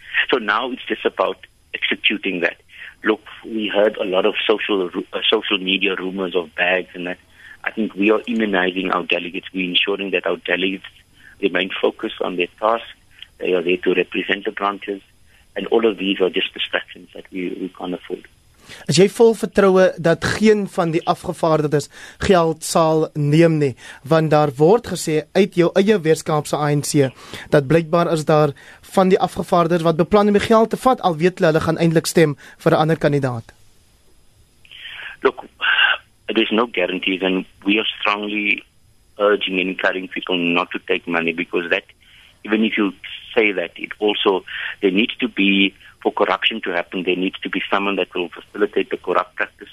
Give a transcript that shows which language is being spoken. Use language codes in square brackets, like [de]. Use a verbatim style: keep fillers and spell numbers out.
[en] so now it's just about executing that. Look, we heard a lot of social uh, social media rumors of bags, and that I think we are immunizing our delegates. We're ensuring that our delegates remain focused on their task. They are there to represent the branches, and all of these are just distractions that we, we can't afford. [af] As jy vol vertroue dat geen van die afgevaardigdes geld sal neem nie, want daar word gesê uit jou eie Weskaapse A N C, dat blykbaar is daar van die afgevaardigdes wat beplan om die geld te vat, al weet hulle, hulle gaan eintlik stem vir 'n ander kandidaat. [en] Look, there's no guarantees, and we are strongly urging and encouraging people not to take money, because that, even if you say that, it also, there needs to be, for corruption to happen, there needs to be someone that will facilitate the corrupt practice.